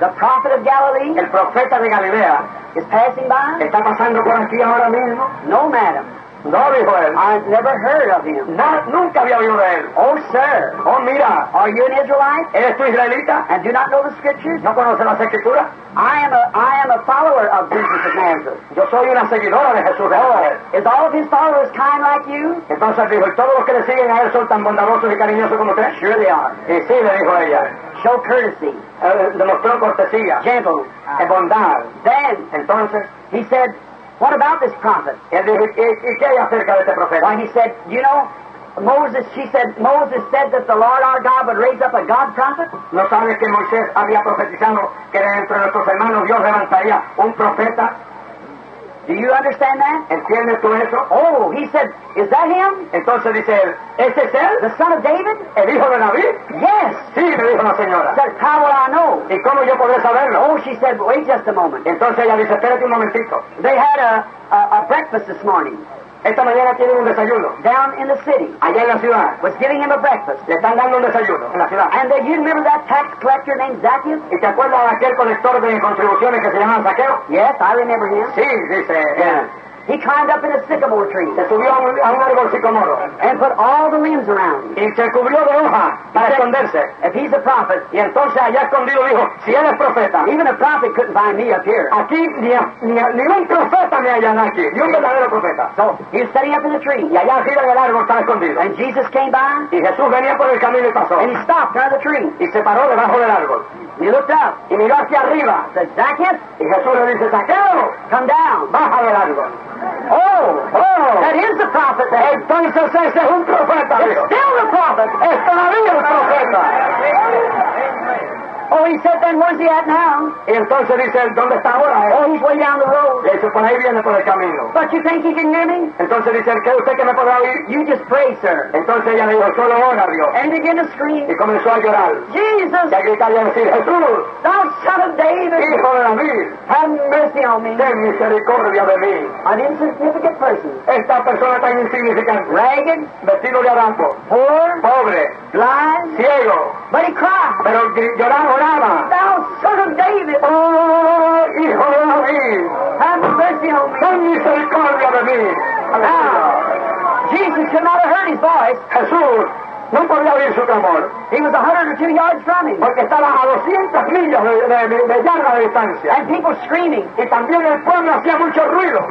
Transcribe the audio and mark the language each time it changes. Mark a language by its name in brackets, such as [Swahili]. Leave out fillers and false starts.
[English] the prophet of Galilee, [Spanish] el profeta de Galilea, [English] is passing by? [Spanish] Está pasando por aquí ahora mismo? [English] No, madam. [Spanish] No, dijo él. [English] I've never heard of him. [Spanish] Nunca había oído de él. [English] Oh, sir. [Spanish] Oh, mira. [English] Are you an Israelite? [Spanish] ¿Eres tú israelita? [English] And do not know the scriptures? [Spanish] ¿No conoces las escrituras? [English] I am a follower of Jesus of Nazareth. [Spanish] Yo soy una seguidora de Jesús de Nazaret. [English] Is all of his followers kind like you? [Spanish] Entonces dijo, ¿todos los que le siguen a él son tan bondadosos y cariñosos como usted? [English] Sure they are. [Spanish] Y sí, le dijo ella. [English] Show courtesy. [Spanish] Demostró cortesía. [English] Gentle. [Spanish] Es bondad. [English] Then, [Spanish] entonces, [English] he said, what about this prophet? [Spanish] ¿Y qué hay acerca de este profeta? [English] Why, he said, you know, Moses, she said, Moses said that the Lord our God would raise up a God prophet? [Spanish] ¿No sabes que Moisés había profetizado que dentro de nuestros hermanos Dios levantaría un profeta? [English] Do you understand that? [Spanish] ¿Entiendes tú eso? [English] Oh, he said, is that him? [Spanish] Entonces dice él, ¿ese es él? [English] The son of David? [Spanish] ¿El hijo de David? [English] Yes. [Spanish] Sí, le dijo la señora. [English] Said, how will I know? [Spanish] ¿Y cómo yo podré saberlo? [English] Oh, she said, wait just a moment. [Spanish] Entonces ella dice, espérate un momentito. [English] They had a breakfast this morning. [Spanish] Esta mañana tiene un desayuno. [English] Down in the city. [Spanish] Allá en la ciudad. [English] Was giving him a breakfast. [Spanish] Le están dando un desayuno en la ciudad. [English] And you remember that tax collector named Zacchaeus? [Spanish] ¿Y te acuerdas de aquel colector de contribuciones que se llamaba Zaqueo? [English] Yes, I remember him. [Spanish] Sí, dice. [English] He climbed up in a sycamore tree. [Spanish] Se subió a un árbol sicomoro. [English] And put all the limbs around him. [Spanish] Y se cubrió de hoja para esconderse. [English] If he's a prophet. [Spanish] Y entonces allá escondido dijo, si él es profeta. [English] Even a prophet couldn't find me up here. [Spanish] Aquí ni un profeta me hallan aquí. Ni un verdadero profeta. [English] So he's sitting up in the tree. [Spanish] Y allá arriba del árbol estaba escondido. [English] And Jesus came by. [Spanish] Y Jesús venía por el camino y pasó. [English] And he stopped under the tree. [Spanish] Y se paró debajo del árbol. [English] And he looked up. [Spanish] Y miró hacia arriba. [English] Said, Zacchaeus. [Spanish] Y Jesús le dice, Zaqueo. [English] Come down. [Spanish] Baja del árbol. [English] Oh, that is the prophet there. [Spanish] Entonces ese es un profeta. [English] It's still the prophet. [Spanish] Es todavía el profeta. [English] Oh, he said, then where's he at now? [Spanish] Y entonces dice, ¿dónde está ahora? [English] Oh, he's way down the road. [Spanish] Y dice, por ahí viene por el camino. [English] But you think he can hear me? [Spanish] Entonces dice, ¿qué usted que me podrá oír? [English] You just pray, sir. [Spanish] Entonces ella le dijo, solo ora, Dios. [English] And began to scream. [Spanish] Y comenzó a llorar. [English] Jesus. [Spanish] Y a gritar y a decir, Jesús. [English] Thou son of David. [Spanish] Hijo de David. [English] Have mercy on me. [Spanish] Ten misericordia de mí. [English] An insignificant person. [Spanish] Esta persona tan insignificante. [English] Ragged. [Spanish] Vestido de harapo. [English] Poor. [Spanish] Pobre. [English] Blind. [Spanish] Ciego. [English] But he cried. [Spanish] Pero lloraba. [English] Thou son of David. [Spanish] Oh, hijo de David. [English] Have mercy on me. [Spanish] Ten misericordia de mí. [English] Now, Jesus could not have heard his voice. [Spanish] Jesús no podía oír su clamor. [English] He was 102 yards from him. [Spanish] Porque estaba a 200 millas de yarda de distancia. [English] And people screaming. [Spanish] Y también el pueblo hacía mucho ruido.